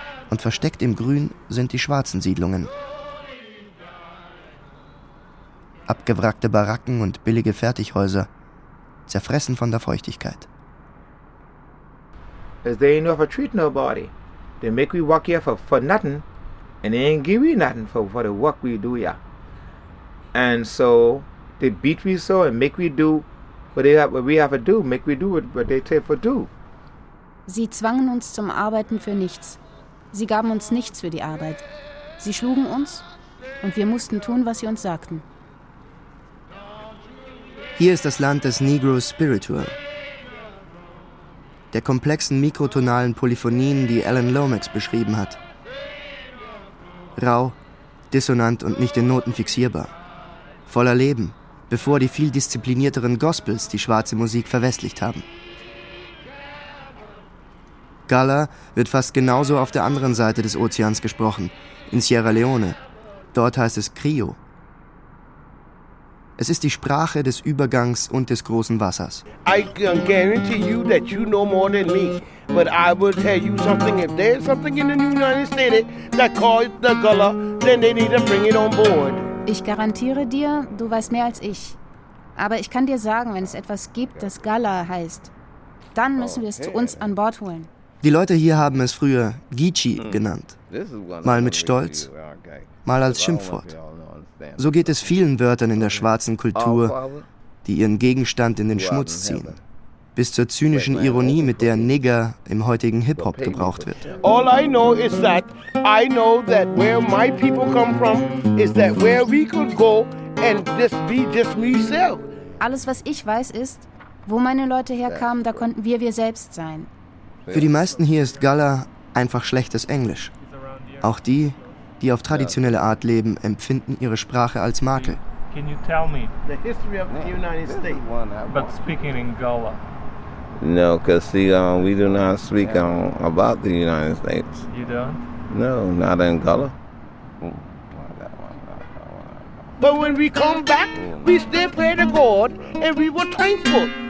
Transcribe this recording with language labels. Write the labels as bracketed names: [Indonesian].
[German] Und versteckt im Grün sind die schwarzen Siedlungen. Abgewrackte Baracken und billige Fertighäuser, zerfressen von der Feuchtigkeit. [English] As they ain't never treat nobody. They make we walk here for nothing, and they ain't give we nothing for the work we do here. And so they beat me so and make me do what we have to do, make me do what they tell for do. [German] Sie zwangen uns zum Arbeiten für nichts. Sie gaben uns nichts für die Arbeit. Sie schlugen uns und wir mussten tun, was sie uns sagten. Hier ist das Land des Negro Spiritual. Der komplexen mikrotonalen Polyphonien, die Alan Lomax beschrieben hat. Rau, dissonant und nicht in Noten fixierbar. Voller Leben. Bevor die viel disziplinierteren Gospels die schwarze Musik verwestlicht haben. Gala wird fast genauso auf der anderen Seite des Ozeans gesprochen, in Sierra Leone. Dort heißt es Krio. Es ist die Sprache des Übergangs und des großen Wassers. [English] I can guarantee you that you know more than me, but I will tell you something. If there's something in the United States that calls the Gala, then they need to bring it on board. [German] Ich garantiere dir, du weißt mehr als ich. Aber ich kann dir sagen, wenn es etwas gibt, das Gala heißt, dann müssen wir es zu uns an Bord holen. Die Leute hier haben es früher Geechee genannt. Mal mit Stolz, mal als Schimpfwort. So geht es vielen Wörtern in der schwarzen Kultur, die ihren Gegenstand in den Schmutz ziehen. Bis zur zynischen Ironie, mit der Nigger im heutigen Hip-Hop gebraucht wird. [English] All I know is that I know that where my people come from is that where we could go and just be just me self. [German] Alles, was ich weiß, ist, wo meine Leute herkamen, da konnten wir selbst sein. Für die meisten hier ist Gala einfach schlechtes Englisch. Auch die, die auf traditionelle Art leben, empfinden ihre Sprache als Makel. [English] Can you tell me the history of the United States? But speaking in Gala. No, because see, we do not speak about the United States. You don't? No, not in Gala. But when we come back, we still pray to God, and we were thankful.